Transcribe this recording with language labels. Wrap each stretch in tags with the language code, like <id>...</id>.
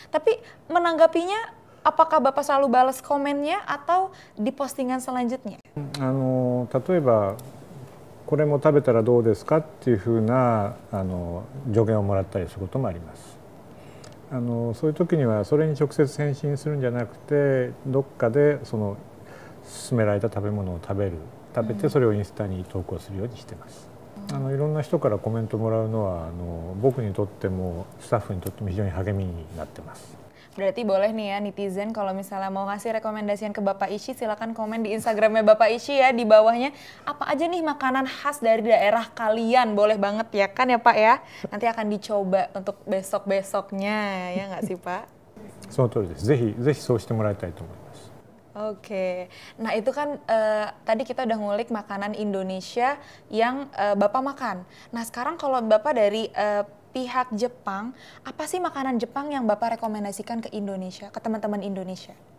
<id>Tapi menanggapinya, apakah Bapak selalu balas komennya atau di postingan selanjutnya?</id> <ja>Tatueba, kore mo tabetara dou desu ka? っていうふうな助言をもらったりすることもあります。そういう時にはそれに直接返信するんじゃなくて、どっかでその勧められた食べ物を食べてそれをインスタに投稿するようにしてます。いろんな人からコメントもらうのは僕にとってもスタッフにとっても非常に励みになってます。</ja> <id>Berarti boleh nih ya netizen kalau misalnya mau ngasih rekomendasi ke Bapak Ishi, silakan komen di Instagramnya Bapak Ishi ya, di bawahnya apa aja nih makanan khas dari daerah kalian, boleh banget ya kan ya Pak ya, nanti akan dicoba untuk besok-besoknya ya nggak sih Pak? Betul deh,</id> <ja>ぜひそうしてもらいたいと思います。</ja> <id>Oke, nah itu kan tadi kita udah ngulik makanan Indonesia yang Bapak makan. Nah sekarang kalau Bapak dari pihak Jepang, apa sih makanan Jepang yang Bapak rekomendasikan ke Indonesia, ke teman-teman Indonesia?</id>